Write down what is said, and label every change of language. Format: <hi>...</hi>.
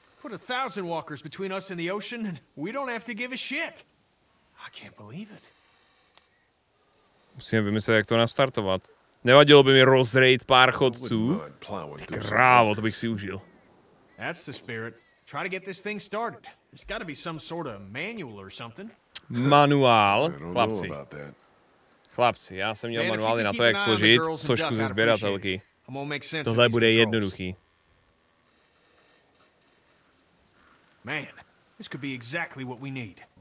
<en>Put 1,000 walkers between us and the ocean and we don't have to give a shit. I can't believe it.</en> <cs>Musíme vymyslet, jak to nastartovat. Nevadilo by mi rozrejt pár chodců? Ty krávo, to bych si užil.</cs> <en>That's the spirit. Try to get this thing started. There's gotta be some sort of manual or something.</en> <cs>Manuál, chlapci. Chlapci, já jsem měl manuály na to, jak složit sošku ze sběratelky. Tohle bude jednoduchý.</cs> <en>Man, this could be exactly what we need.</en>